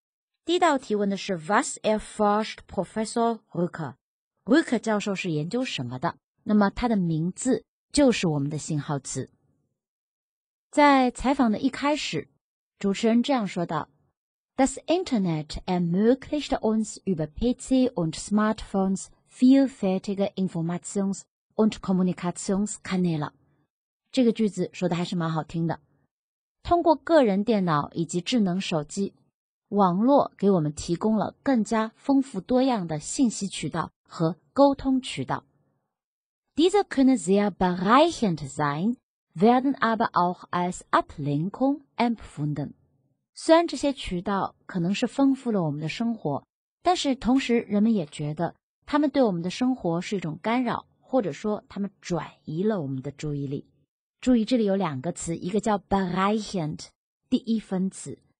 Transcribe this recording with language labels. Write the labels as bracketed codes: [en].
[zh] 好，不知道同学们记下了几题的答案呢？这篇课文比我们上节课最后听的听力课文要长，而且呢，任务也更加的难一些。不知道同学们完成的程度如何？我们一起来看一下。第一道提问的是 [de] Was erforscht Professor Rücker? [zh] Rücker 教授是研究什么的？那么他的名字就是我们的信号词。在采访的一开始，主持人这样说道。 [de] Das Internet ermöglicht uns über PC und Smartphones vielfältige Informations- und Kommunikationskanäle. [zh] 这个句子说的还是蛮好听的。通过个人电脑以及智能手机, 网络给我们提供了更加丰富多样的信息渠道和沟通渠道。 [de] Diese können sehr bereichernd sein, werden aber auch als Ablenkung empfunden. [zh] 虽然这些渠道可能是丰富了我们的生活，但是同时人们也觉得他们对我们的生活是一种干扰，或者说他们转移了我们的注意力。注意这里有两个词，一个叫 bereichernd, 第一分词。